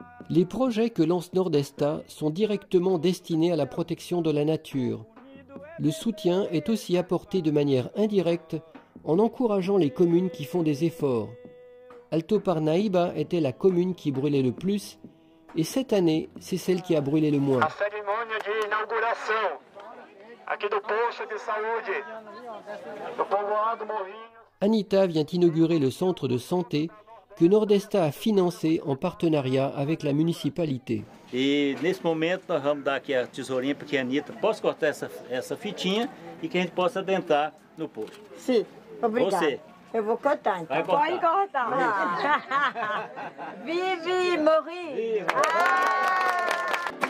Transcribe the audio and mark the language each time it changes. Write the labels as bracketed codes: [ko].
[fr] Les projets que lance Nordesta sont directement destinés à la protection de la nature. Le soutien est aussi apporté de manière indirecte en encourageant les communes qui font des efforts. Alto Parnaíba était la commune qui brûlait le plus et cette année, c'est celle qui a brûlé le moins. La cérémonie d'inauguration [pt] aqui do posto de saúde do povoado Morrinho. [fr] Anita vient inaugurer le centre de santé que Nordesta a financé en partenariat avec la municipalité. [pt] Et nesse momento nós vamos dar aqui a tesourinha para que a Anita possa cortar essa fitinha e que a gente possa adentrar no posto. Sim. Obrigada. Você. Eu vou cortar, então. Vai cortar. Pode cortar. Ah. Vive, morri. Ah.